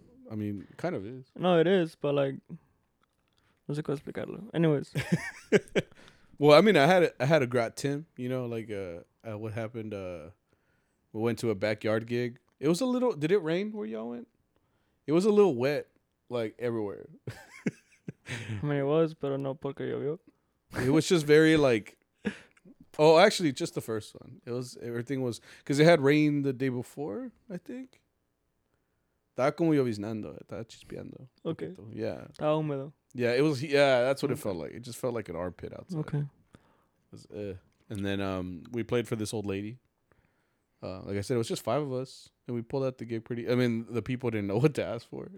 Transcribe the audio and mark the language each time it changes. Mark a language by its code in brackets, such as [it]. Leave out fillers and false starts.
[en] I mean, kind of is. No, it is, but like, [es] no sé cómo explicarlo. [en] Anyways. Well, I mean, I had a grat Tim, you know, like what happened. We went to a backyard gig. It was a little, did it rain where y'all went? It was a little wet, like everywhere. I mean, it was, [es] pero no porque llovió. [en] It was just very like, oh, actually, just the first one. It was, everything was, because it had rained the day before, I think. [es] Estaba como lloviznando, estaba chispeando. [en] Okay. Yeah. [es] Estaba húmedo. [en] Yeah, it was. Yeah, that's what it felt like. It just felt like an armpit outside. Okay. And then we played for this old lady. Like I said, it was just 5 of us, and we pulled out the gig pretty. I mean, the people didn't know what to ask for.